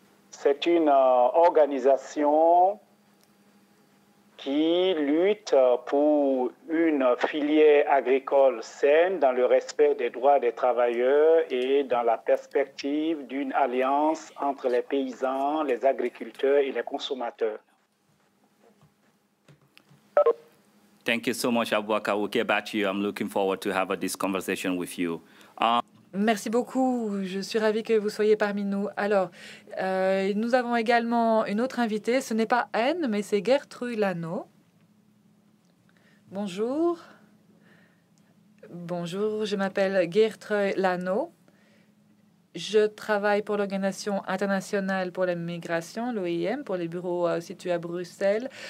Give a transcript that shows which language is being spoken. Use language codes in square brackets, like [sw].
[fr] C'est une organisation qui lutte pour une filière agricole saine dans le respect des droits des travailleurs et dans la perspective d'une alliance entre les paysans, les agriculteurs et les consommateurs. [en] Thank you so much, Aboubakar. We'll get back to you. I'm looking forward to have this conversation with you. [fr] Merci beaucoup. Je suis ravie que vous soyez parmi nous. Alors, nous avons également une autre invitée. Ce n'est pas Anne, mais c'est Gertrude Lano. Bonjour. Bonjour, je m'appelle Gertrude Lano. Je travaille pour l'Organisation internationale pour la migration, l'OIM, pour les bureaux situés à Bruxelles.